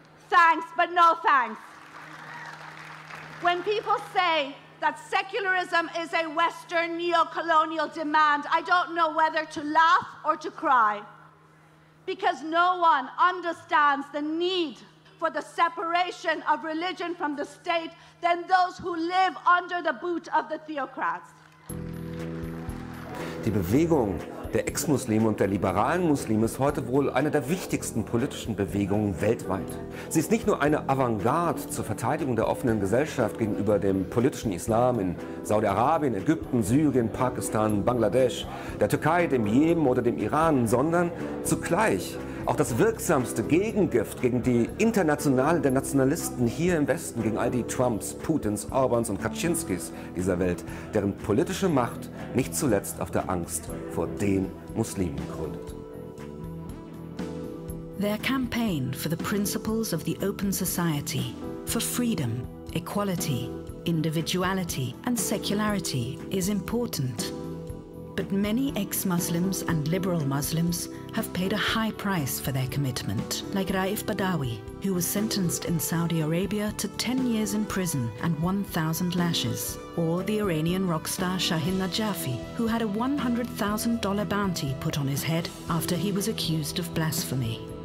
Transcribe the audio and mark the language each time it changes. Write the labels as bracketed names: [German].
[English] Thanks, but no thanks. When people say that secularism is a Western neo-colonial demand, I don't know whether to laugh or to cry, because no one understands the need for the separation of religion from the state than those who live under the boot of the theocrats. [German] Die Bewegung der Ex-Muslime und der liberalen Muslime ist heute wohl eine der wichtigsten politischen Bewegungen weltweit. Sie ist nicht nur eine Avantgarde zur Verteidigung der offenen Gesellschaft gegenüber dem politischen Islam in Saudi-Arabien, Ägypten, Syrien, Pakistan, Bangladesch, der Türkei, dem Jemen oder dem Iran, sondern zugleich auch das wirksamste Gegengift gegen die Internationale der Nationalisten hier im Westen, gegen all die Trumps, Putins, Orbans und Kaczynskis dieser Welt, deren politische Macht nicht zuletzt auf der Angst vor den Muslimen gründet. [English] Their campaign for the principles of the open society, for freedom, equality, individuality and secularity is important. But many ex-Muslims and liberal Muslims have paid a high price for their commitment, like Raif Badawi, who was sentenced in Saudi Arabia to 10 years in prison and 1,000 lashes, or the Iranian rock star Shahin Najafi, who had a $100,000 bounty put on his head after he was accused of blasphemy.